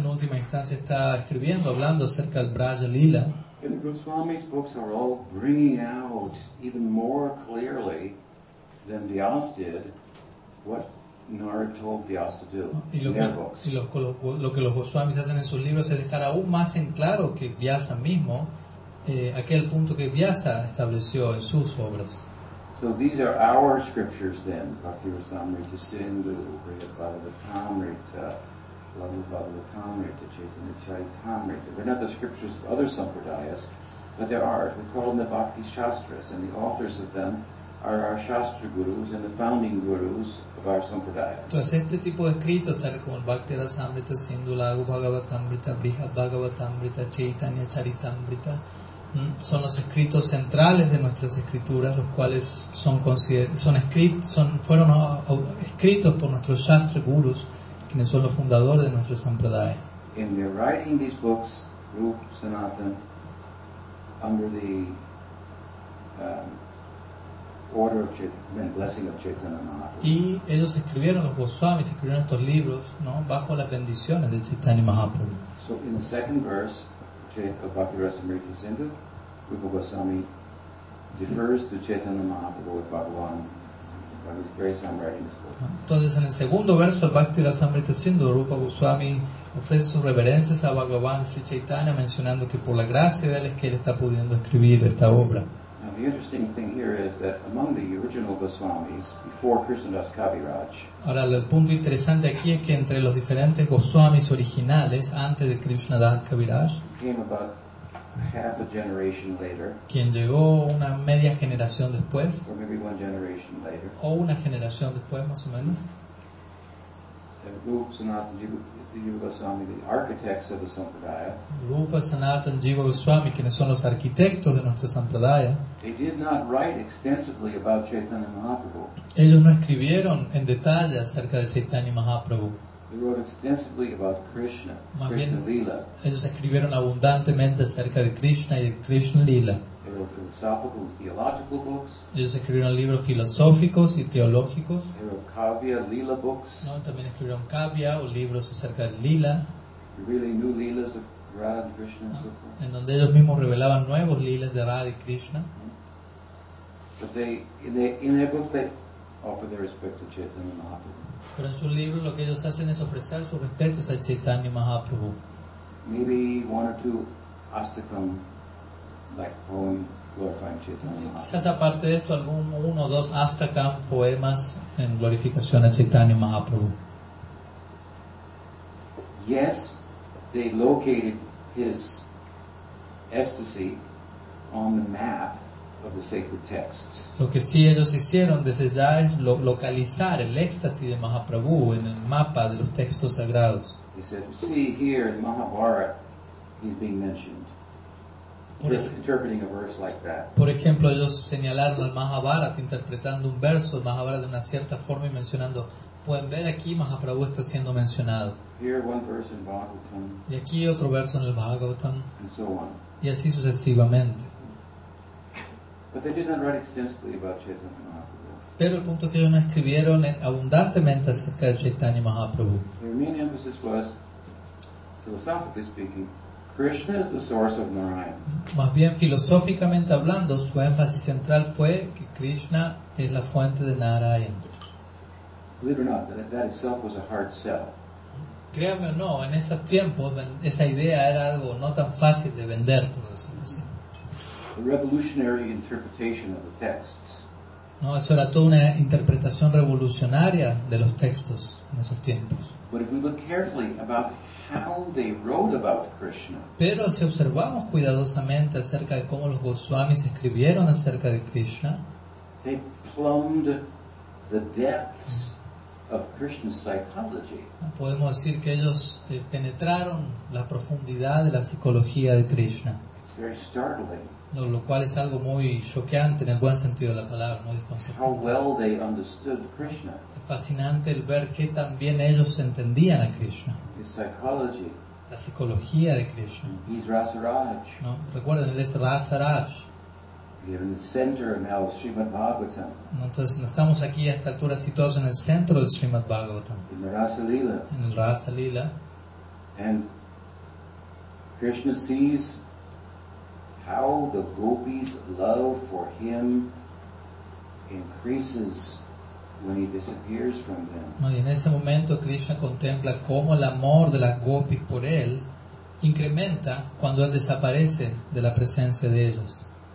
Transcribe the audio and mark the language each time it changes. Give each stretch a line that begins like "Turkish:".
Spanish: en última instancia, está escribiendo, hablando acerca del Braja Lila.
English: And the Goswami's books are all bringing out even more clearly than Vyas did what Narada told Vyas to do in their books.
Spanish: Y lo que los Goswamis hacen en sus libros es dejar aún más en claro que Vyasa mismo, aquel punto que Vyasa estableció en sus obras.
English: So these are our scriptures then, Bhakti-rasamrita, Sindhu, Bhagavatamrita, Lalubhavatamrita, Chaitanya Charitamrita. They're not the scriptures of other sampradayas, but there are. We call them the Bhakti Shastras, and the authors of them are our Shastra Gurus and the founding gurus of our sampradaya.
Spanish: Entonces, este tipo de escritos, tal como Bhakti Rasamrita, Sindhu, Lalubhavatamrita, Brihadbhagavatamrita, Chaitanya Charitamrita, son los escritos centrales de nuestras escrituras, los cuales fueron escritos por nuestros Shastra Gurus, quienes son los fundadores de nuestra sampradaya.
English: And they're writing these books, Rup Sanatan, under the order of blessing of Chaitanya Mahaprabhu.
Spanish: Y ellos escribieron, los Goswamis escribieron estos libros, ¿no?, bajo las bendiciones de Chaitanya Mahaprabhu.
English: So in the second verse of Bhakti-rasamrita Sindhu, Rupa Goswami defers to Chaitanya Mahaprabhu with Bhagavan.
Spanish: Entonces, en el segundo verso, Bhakti-rasamrita Sindhu, Rupa Goswami ofrece sus reverencias a Bhagavan Sri Chaitanya, mencionando que por la gracia de él es que él está pudiendo escribir esta obra.
English: Now, the interesting thing here is that among the original Goswamis, before Krishnadas Kaviraj,
Spanish: ahora, el punto interesante aquí es que entre los diferentes Goswamis originales, antes de Krishnadas Kaviraj,
English: came about half a generation later,
Spanish: quien llegó una media generación después,
English: or maybe one generation later,
Spanish: o una generación después más o menos, Rupa Sanatan Jiva Goswami, quienes son los arquitectos de nuestra sampradaya,
English: they did not write extensively about Chaitanya Mahaprabhu.
Spanish: Ellos no escribieron en detalle acerca de Chaitanya Mahaprabhu.
English: They wrote extensively about Krishna,
Spanish: más Krishna bien, Lila. Ellos escribieron abundantemente acerca de Krishna y de Krishna Lila.
English: They wrote philosophical and theological books.
Spanish: Ellos escribieron libros filosóficos y teológicos.
English: They wrote Kavya, Lila books.
Spanish: No, también escribieron Kavya o libros acerca de Lila.
English: They really knew Lilas of Radha and Krishna and so forth.
Spanish: En donde ellos mismos revelaban nuevos Lilas de Radha y Krishna.
English: But in their book they offer their respect to Chaitanya Mahaprabhu.
Spanish: Pero en sus libros lo que ellos hacen es ofrecer sus respetos a Chaitanya Mahaprabhu.
English: Maybe one or two astakam, like poem glorifying Chaitanya Mahaprabhu.
Spanish: Quizás aparte de esto, algún uno o dos astakam, poemas en glorificación a Chaitanya Mahaprabhu.
English: Yes, they located his ecstasy on the map of the sacred texts.
Spanish: Lo que sí ellos hicieron desde ya es localizar el éxtasis de Mahaprabhu en el mapa de los textos sagrados.
English: He said, see here in Mahabharata, he's being mentioned. Interpreting a verse like that.
Spanish: Por ejemplo, ellos señalaron al Mahabharata interpretando un verso, el Mahabharata de una cierta forma y mencionando. Pueden ver aquí Mahaprabhu está siendo mencionado.
English: Here one verse in Bhagavatam.
Spanish: Y aquí otro verso en el Bhagavatam.
English: And so on.
Spanish: Y así sucesivamente.
English: But they did not write extensively about Chaitanya Mahaprabhu.
Spanish: Pero el punto es que ellos no escribieron abundantemente acerca de Chaitanya Mahaprabhu.
English: Their main emphasis was, philosophically speaking, Krishna is the source of Narayana.
Spanish: Más bien filosóficamente hablando, su énfasis central fue que Krishna es la fuente de Narayana.
English: Believe it or not, that itself was a hard sell.
Spanish: Créanme o no, en ese tiempo esa idea era algo no tan fácil de vender, por decirlo así.
English: A revolutionary interpretation of the texts.
Spanish: No, eso era toda una interpretación revolucionaria de los textos en esos tiempos.
English: But if we look carefully about how they wrote about Krishna.
Spanish: Pero si observamos cuidadosamente acerca de cómo los Goswamis escribieron acerca de Krishna,
English: they plumbed the depths of Krishna's psychology.
Spanish: Podemos decir que ellos penetraron la profundidad de la psicología de Krishna.
English: It's very startling.
Spanish: Lo cual es algo muy choqueante en el buen sentido de la palabra, muy desconcertante.
English: How well they understood Krishna.
Spanish: Es fascinante el ver qué tan bien ellos entendían a Krishna.
English: His psychology.
Spanish: La psicología de Krishna.
English: He's Rasaraj.
Spanish: No, recuerden, él es Rasaraj.
English: In the center of now Srimad Bhagavatam.
Spanish: Entonces, no estamos aquí a esta altura situados en el centro del Srimad Bhagavatam.
English: In the Rasa Lila.
Spanish: En el Rasa Lila.
English: And Krishna sees how the gopis' love for him increases when he disappears from them.
Spanish: No, y en ese momento Krishna contempla cómo el amor de las gopis por él incrementa cuando él desaparece de la presencia de ellas.